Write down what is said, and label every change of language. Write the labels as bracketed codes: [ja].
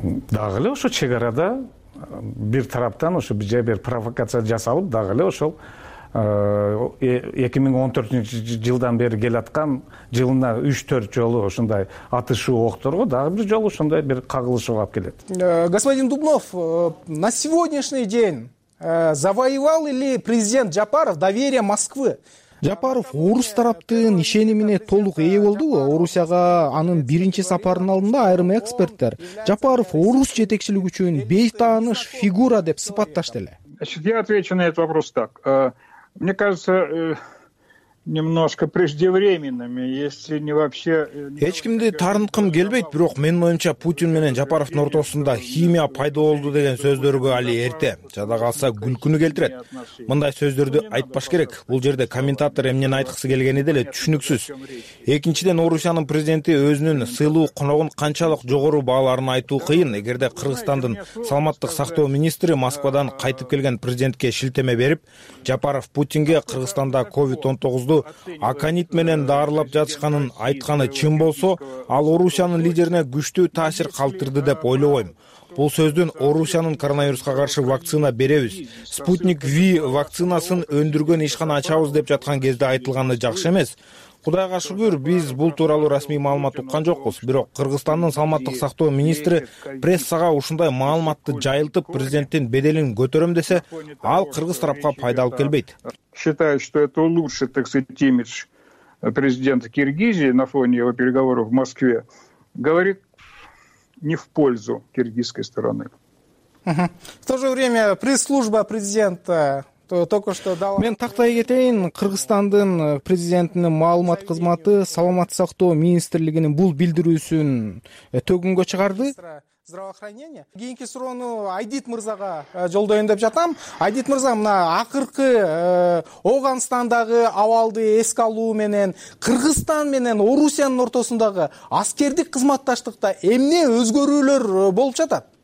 [ky] Дагы эле ошол чек арада бир тараптан ошо бир жерге бир провокация жасалып, дагы эле ошол 2014 жылдан бери келаткан жылына 3-4 жолу ушундай атышуу окторго дагы бир жолу ушундай бир кагылышуу алып келет. [ru] Господин Дубнов, на сегодняшний день завоевал или президент Жапаров доверие Москвы? [ky] Жапаров орус тараптын ишенимине толук ээ болдубу? Орусияга анын биринчи сапарынын алдында айрым эксперттер Жапаров орус жетекчилиги үчүн бейтааныш фигура деп сыпатташты эле. [ru] Значит, я отвечу на этот вопрос так. Мне кажется, немножко преждевременными, если не вообще. [ky] Эч кимди таарынткым келбейт, бирок менин оюмча Путин менен Жапаровдун ортосунда химия пайда болду деген сөздөргө али эрте. Жада калса күлкүнү келтирет. Мындай сөздөрдү айтпаш керек. Бул жерде комментатор эмнени айткысы келгени деле түшүнүксүз. Экинчиден, Орусиянын президенти өзүнүн сыйлуу коногун канчалык жогору бааларын айтуу кыйын. Эгерде Кыргызстандын саламаттык сактоо министри Москвадан кайтып келген президентке шилтеме берип, Жапаров Путинге Кыргызстанда COVID-19 аконит менен дарылап жатышканын айтканы чын болсо, ал Орусиянын лидерине күчтүү таасир калтырды деп ойлобойм. Бул сөздүн Орусиянын коронавируска каршы вакцина беребиз, Спутник V вакцинасын өндүргөн ишкана ачабыз деп жаткан кезде айтылганы жакшы эмес. Кудайга шүгүр, биз бул тууралуу расмий маалымат уккан жокпуз. Бирок Кыргызстандын саламаттык сактоо министри прессага ушундай маалыматты жайылтып, президенттин беделин көтөрөм десе, ал кыргыз тарапка пайдалуу келбейт. [ru] Считаю, что это лучше, так сказать, имидж президента Киргизии на фоне его переговоров в Москве говорит не в пользу киргизской стороны. В то же время пресс-служба президента только что дала. [ky] Мен тактай кетейин, Кыргызстандын президентинин маалымат кызматы саламат сактоо министрлигинин бул билдирүүсүн төгүнгө чыгарды. [ru] Здравоохранения. [ky] Кийинки суроону Айдит мырзага жолдойюн деп жатам. Айдит мырза, мына акыркы Ооганстандагы абалды эске алуу менен Кыргызстан менен Орусиянын ортосундагы аскердик кызматташтыкта эмне өзгөрүүлөр болуп жатат?